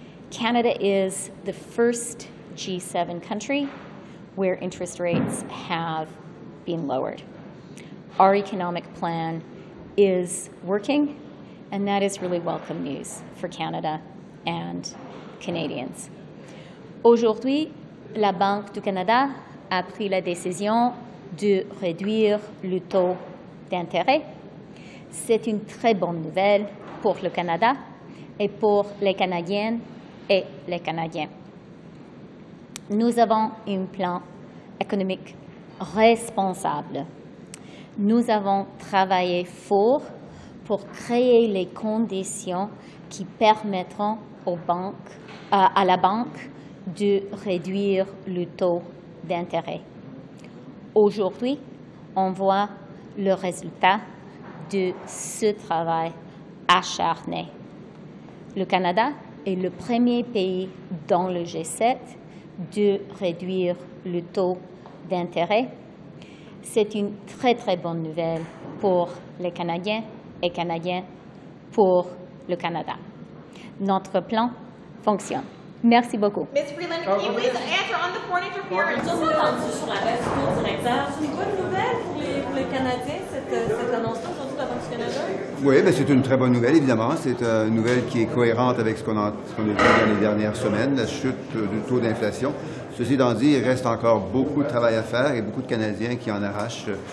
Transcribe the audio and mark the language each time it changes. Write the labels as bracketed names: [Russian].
[English] Canada is the first G7 country where interest rates have been lowered. Our economic plan is working, and that is really welcome news for Canada and Canadians. [French] Aujourd'hui, la Banque du Canada a pris la décision de réduire le taux d'intérêt. C'est une très bonne nouvelle pour le Canada et pour les Canadiennes et les Canadiens. Nous avons un plan économique responsable. Nous avons travaillé fort pour créer les conditions qui permettront aux banques, à la banque de réduire le taux d'intérêt. Aujourd'hui, on voit le résultat de ce travail acharné. Le Canada est le premier pays dans le G7 de réduire le taux d'intérêt. C'est une très, très bonne nouvelle pour les Canadiens et Canadiens pour le Canada. Notre plan fonctionne. Merci beaucoup. [English] Ms. Freeland, can you please answer on the foreign interference? Just to answer [French] sur la reste, Monsieur le Directeur, c'est une bonne nouvelle pour les Canadiens, cette annonce-là, surtout la Banque du Canada? Oui, mais c'est une très bonne nouvelle, évidemment. C'est une nouvelle qui est cohérente avec ce qu'on a vu dans les dernières semaines, la chute du taux d'inflation. Ceci étant dit, il reste encore beaucoup de travail à faire et beaucoup de Canadiens qui en arrachent.